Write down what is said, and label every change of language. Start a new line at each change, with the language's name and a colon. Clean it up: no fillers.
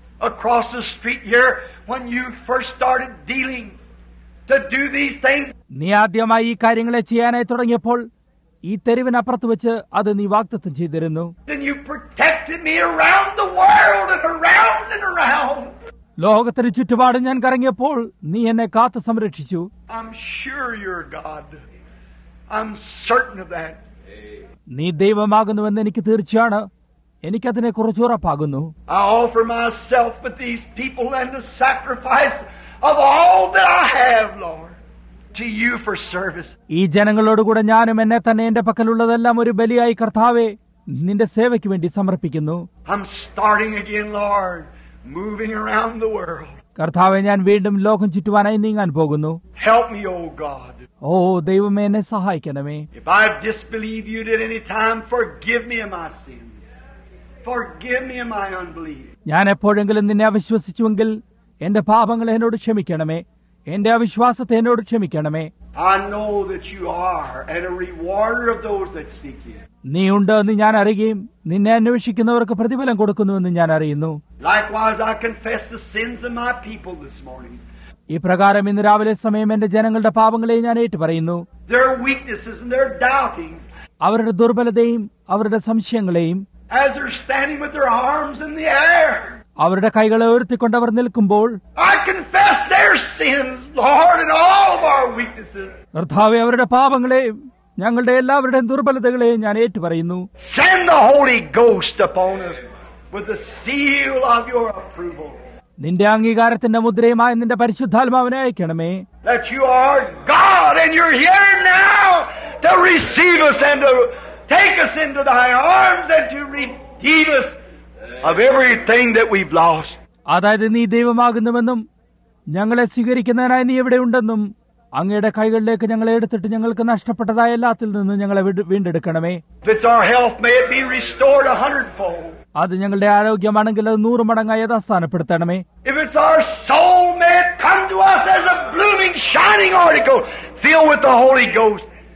English: Across the street here when you first started dealing to do these things.
Malayalam: നിയാദ്യമായി ഈ കാര്യങ്ങളെ ചെയ്യാനായി തുടങ്ങിയപ്പോൾ ഈ തെരുവിനപ്പുറത്ത് വെച്ച് അത് നീ വാഗ്ദത്തം ചെയ്തിരുന്നു.
English: Then you protected me around the world and around and around.
Malayalam: ലോകത്തിന് ചുറ്റുപാട് ഞാൻ കറങ്ങിയപ്പോൾ നീ എന്നെ കാത്തു സംരക്ഷിച്ചു.
English: I'm sure you're God. I'm certain of that.
Malayalam: നീ ദൈവമാകുന്നുവെന്ന് എനിക്ക് തീർച്ചയാണ്. എനിക്കതിനെ കുറിച്ച് ഉറപ്പാകുന്നു.
English: I offer myself with these people and the sacrifice of all that I have, Lord, to you for service.
Malayalam: ഈ ജനങ്ങളോട് കൂടെ ഞാനും എന്നെ തന്നെ എന്റെ പക്കലുള്ളതെല്ലാം ഒരു ബലിയായി കർത്താവേ നിന്റെ സേവയ്ക്ക് വേണ്ടി സമർപ്പിക്കുന്നു.
English: I'm starting again, Lord, moving around the world.
Malayalam: കർത്താവേ, ഞാൻ വീണ്ടും ലോകം ചുറ്റുവാനായി നീങ്ങാൻ പോകുന്നു.
English: Help me, O God.
Malayalam: ഓ ദൈവമേ, എന്നെ സഹായിക്കണമേ.
English: If I disbelieve you at any time, forgive me of my sins. Forgive me of my unbelief.
Malayalam: ഞാൻ എപ്പോഴെങ്കിലും നിന്നെ അവിശ്വസിച്ചുവെങ്കിൽ എന്റെ പാപങ്ങൾ എന്നോട് ക്ഷമിക്കണമേ. എന്റെ അവിശ്വാസത്തെ എന്നോട് ക്ഷമിക്കണമേ.
English: I know that you are and a rewarder of those that seek you.
Malayalam: നീ ഉണ്ടെന്ന് ഞാൻ അറിയുകയും നിന്നെ അന്വേഷിക്കുന്നവർക്ക് പ്രതിഫലം കൊടുക്കുന്നുവെന്ന് ഞാൻ അറിയുന്നു.
English: Likewise, I confess the sins of my people this morning.
Malayalam: ഈ പ്രകാരം ഇന്ന് രാവിലെ സമയം എന്റെ ജനങ്ങളുടെ പാപങ്ങളെ ഞാൻ ഏറ്റുപറയുന്നു.
English: Their weaknesses and their doubtings.
Malayalam: അവരുടെ ദുർബലതയും അവരുടെ സംശയങ്ങളെയും.
English: As they're standing with their arms in the air.
Malayalam: അവരുടെ കൈകളെ ഉയർത്തിക്കൊണ്ട് അവർ നിൽക്കുമ്പോൾ.
English: I confess their sins, Lord, and all of our weaknesses.
Malayalam: കർത്താവേ, അവരുടെ പാപങ്ങളെ, ഞങ്ങളുടെ എല്ലാവരുടെയും ദുർബലതകളെ ഞാൻ ഏറ്റുപറയുന്നു.
English: Send the Holy Ghost upon us with the seal of your approval.
Malayalam: നിന്റെ അംഗീകാരത്തിന്റെ മുദ്രയുമായി നിന്റെ പരിശുദ്ധാത്മാവിനെ അയക്കണമേ.
English: That you are God and you're here now to receive us and to take us into thy arms and to redeem us of everything that we've lost.
Malayalam: അതായത് നീ ദൈവമാകുന്നുവെന്നും ഞങ്ങളെ സ്വീകരിക്കുന്നതിനായി നീ എവിടെ ഉണ്ടെന്നും അങ്ങയുടെ കൈകളിലേക്ക് ഞങ്ങളെ എടുത്തിട്ട് ഞങ്ങൾക്ക് നഷ്ടപ്പെട്ടതായ എല്ലാത്തിൽ നിന്നും ഞങ്ങളെ വീണ്ടെടുക്കണമേ.
English: If it's our health, may it be restored 100-fold.
Malayalam: അത് ഞങ്ങളുടെ ആരോഗ്യമാണെങ്കിൽ അത് 100 മടങ്ങായി യഥാസ്ഥാനപ്പെടുത്തണമേ.
English: If it's our soul, may it come to us as a blooming, shining article, filled with the Holy Ghost.